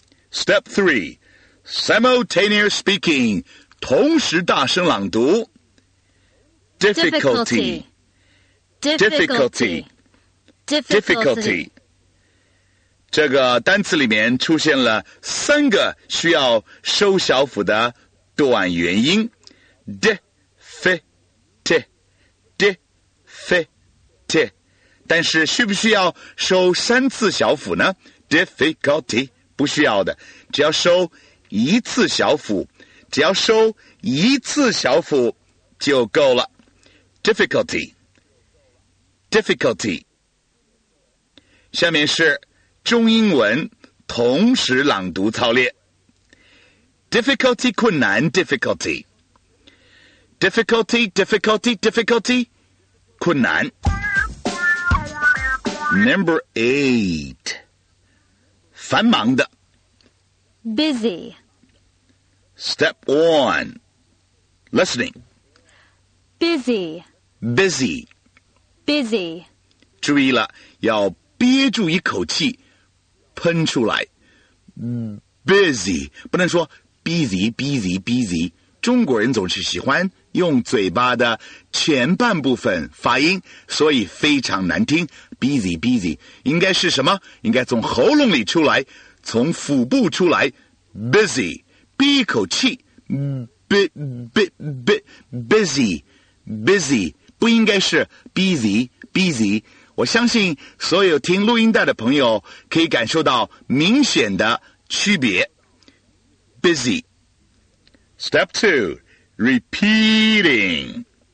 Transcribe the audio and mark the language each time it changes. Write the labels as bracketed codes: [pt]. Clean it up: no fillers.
[en] Step 3Simultaneous speaking, [zh] 同时大声朗读 [en] Difficulty, difficulty, difficulty. [zh] 这个单词里面出现了三个需要收小辅的短元音 [en] Difficulty, difficulty. [zh] 但是需不需要收三次小辅呢 [en] Difficulty, [zh] 不需要的，只要收一次小辅，只要收一次小辅就够了。 [en] Difficulty, difficulty。 [zh] 下面是中英文同时朗读操练。 [en] Difficulty [zh] 困难 [en] ，difficulty。 Difficulty, difficulty, difficulty， [zh] 困难。 [en] Number 8， [zh] 繁忙的。 [en] Busy。 Step 1. Listening. Busy. Busy. Busy. [zh] 注意了，要憋住一口气喷出来。 [en] Busy. [zh] 不能说 [en] busy, busy, busy. [zh] 中国人总是喜欢用嘴巴的前半部分发音，所以非常难听。 [en] Busy, busy. [zh] 应该是什么？应该从喉咙里出来，从腹部出来。 [en] Busy. [zh] 憋一口气 [en] busy busy [zh] 不应该是 busy busy 我相信所有听录音带的朋友可以感受到明显的区别 [en] busy step 2 repeating